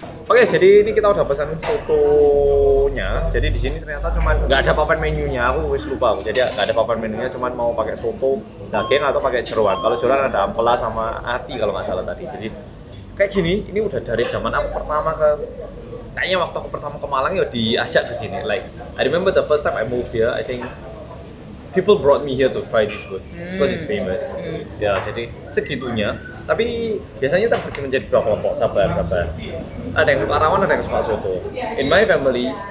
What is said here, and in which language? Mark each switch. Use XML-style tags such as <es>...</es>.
<id>Oke, jadi ini kita udah pesan sotonya. Jadi di sini ternyata cuman enggak ada papan menunya. Aku wis lupa. Jadi enggak ada papan menunya, cuman mau pakai soto daging atau pakai jeroan. Kalau jeroan ada ampela sama ati kalau enggak salah tadi. Jadi kayak gini, ini udah dari zaman aku pertama ke kayaknya waktu aku pertama ke Malang ya diajak ke sini.</id> <en>Like I remember the first time I moved here, I think people brought me here to try this food because it's famous.</en> <id>Ya, yeah, jadi segitunya. Tapi biasanya terbagi menjadi dua kelompok, sabar. Ada yang suka rawon, ada yang suka soto.</id> <en>In my family,</en>